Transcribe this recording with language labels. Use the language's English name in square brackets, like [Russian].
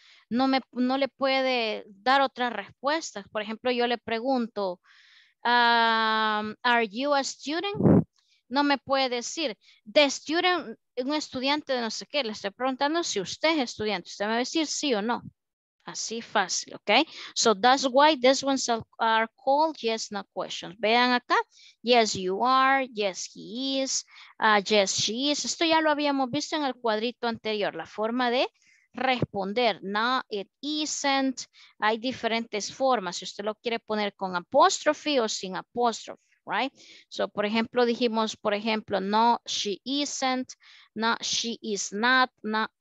[Spanish] No le puede dar otra respuesta. Por ejemplo, yo le pregunto, [English] are you a student? [Spanish] No me puede decir, [English] the student, [Spanish] un estudiante de no sé qué, le estoy preguntando si usted es estudiante. Usted me va a decir sí o no. Así fácil, ok. [English] So that's why these ones are called yes, no questions. [Spanish] Vean acá, [English] yes, you are, yes, he is, yes, she is. [Spanish] Esto ya lo habíamos visto en el cuadrito anterior, la forma de responder. [English] No, it isn't. [Spanish] Hay diferentes formas, si usted lo quiere poner con apóstrofe o sin apóstrofe, right? [English] So, [Spanish] por ejemplo, dijimos, por ejemplo, [English] no, she isn't, no, she is not, no,